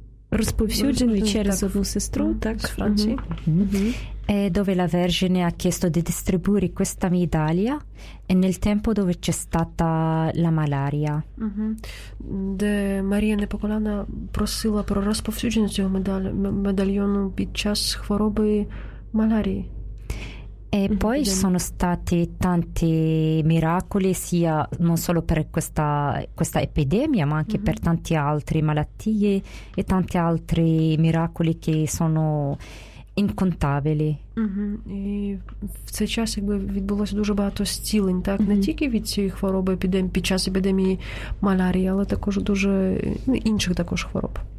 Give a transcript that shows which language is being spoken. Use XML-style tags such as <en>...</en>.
<uk>розповсюджений через одну сестру, так, з Франції.</uk> <it>Dove la Vergine ha chiesto di distribuire questa medaglia e nel tempo dove c'è stata la malaria.</it> <uk>De Maria Непоколена просила про розповсюдження цього медальйону під час хвороби малярії.</uk> <it>E poi sono stati tanti miracoli, sia non solo per questa epidemia, ma anche per tante altre malattie e tanti altri miracoli che sono incontabili.</it> <uk>І в цей час, якби, відбулося дуже багато зцілень, так, не тільки від цієї хвороби під час епідемії малярії, але також дуже інших також хвороб.</uk>